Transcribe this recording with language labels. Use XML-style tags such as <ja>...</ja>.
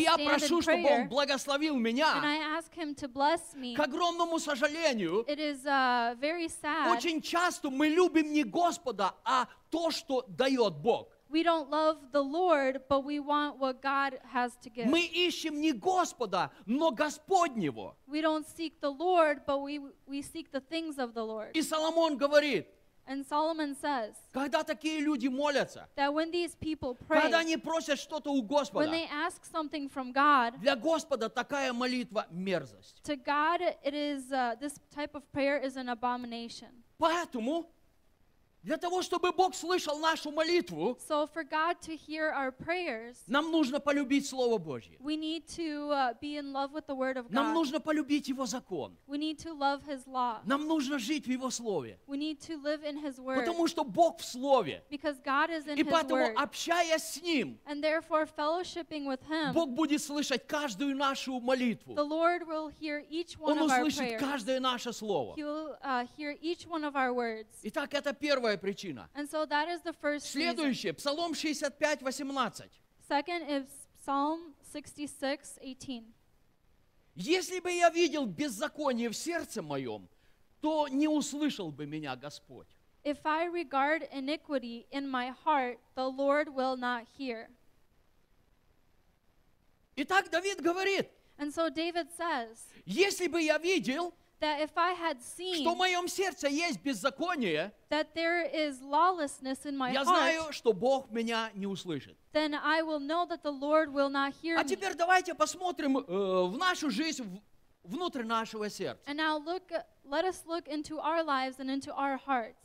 <en>stand</en> <ru>прошу, и я прошу, чтобы Он благословил меня,</ru> <en>and I ask him to bless me.</en> <ru>К огромному сожалению,</ru> <en>it is very sad.</en> <ru>Очень часто мы любим не Господа, а то, что дает Бог.</ru> <en>We don't love the Lord, but we want what God has to give.</en> <ru>Мы ищем не Господа, но Господнего.</ru> <en>We don't seek the Lord, but we seek the things of the Lord.</en> <ru>И Соломон говорит,</ru> <en>and Solomon says,</en> <ru>когда такие люди молятся,</ru> <en>that when these people pray,</en> <ru>когда они просят что-то у Господа,</ru> <en>when they ask something from God,</en> <ru>для Господа такая молитва мерзость.</ru> <en>To God, it is, this type of prayer is an abomination.</en> <ru>Поэтому, для того, чтобы Бог слышал нашу молитву,</ru> <en>so for God to hear our prayers,</en> <ru>нам нужно полюбить Слово Божье.</ru> <en>We need to be in love with the Word of God.</en> <ru>Нам нужно полюбить Его закон.</ru> <en>We need to love His law.</en> <ru>Нам нужно жить в Его Слове.</ru> <en>We need to live in His Word.</en> <ru>Потому что Бог в Слове.</ru> <en>Because God is in</en> <ru>и поэтому,</ru> <en>His Word.</en> <ru>Общаясь с Ним,</ru> <en>and therefore fellowshipping with Him,</en> <ru>Бог будет слышать каждую нашу молитву.</ru> <en>The Lord will hear each one of our prayers.</en> <ru>Он услышит каждое наше слово.</ru> <en>He'll hear each one of our words.</en> <ru>Итак, это первое причина.</ru> <en>And so that is the first</en> <ru>следующее,</ru> <en>reason.</en> <ru>Псалом 65:18.</ru> <en>Second is Psalm 66:18.</en> <ru>Если бы я видел беззаконие в сердце моем, то не услышал бы меня Господь.</ru> <en>If I regard iniquity in my heart, the Lord will not hear.</en> <ru>Итак, Давид говорит,</ru> <en>and so David says,</en> <ru>если бы я видел,</ru> <en>that if I had seen</en> <ru>что в моем сердце есть беззаконие,</ru> <en>that there is lawlessness in my</en> <ru>я знаю, что Бог меня не услышит.</ru> <en>Then I will know that the Lord will not hear me.</en> <ru>А теперь</ru> <en>me.</en> <ru>Давайте посмотрим в нашу жизнь, внутрь нашего сердца.</ru> <en>And now look, let us look into our lives and into our hearts.</en>